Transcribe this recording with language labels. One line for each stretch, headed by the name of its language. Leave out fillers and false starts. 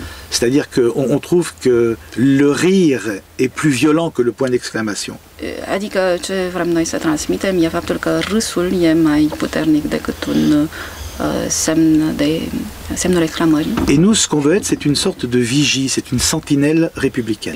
French: C'est-à-dire qu'on trouve que le rire est plus violent que le point d'exclamation.
Romanian: Adică ce vrem noi să transmitem e faptul că râsul e mai puternic decât un semn de reclamări.
French: Et nous, ce qu'on veut être, c'est une sorte de vigie, c'est une sentinelle républicaine.